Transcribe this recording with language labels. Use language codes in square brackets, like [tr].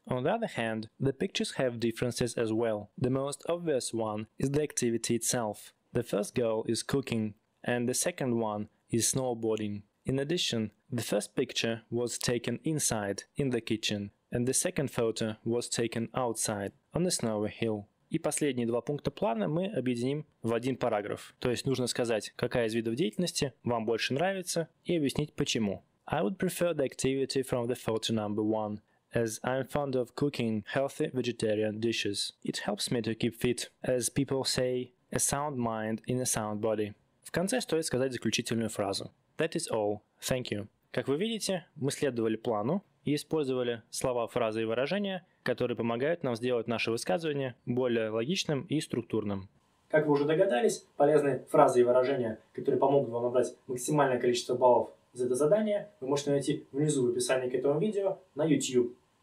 [en] On the other hand, the pictures have differences as well. The most obvious one is the activity itself. The first girl is cooking, and the second one is snowboarding. In addition, the first picture was taken inside, in the kitchen, and the second photo was taken outside, on a snowy hill. [ru] И последние два пункта плана мы объединим в один параграф. То есть нужно сказать, какая из видов деятельности вам больше нравится и объяснить почему. [en] I would prefer the activity from the photo number one, as I'm fond of cooking healthy vegetarian dishes. It helps me to keep fit, as people say, a sound mind in a sound body. [ru] В конце стоит сказать заключительную фразу. [en] That is all. Thank you. [ru] Как вы видите, мы следовали плану и использовали слова, фразы и выражения, которые помогают нам сделать наше высказывание более логичным и структурным. Как вы уже догадались, полезные фразы и выражения, которые помогут вам набрать максимальное количество баллов за это задание, вы можете найти внизу в описании к этому видео на YouTube.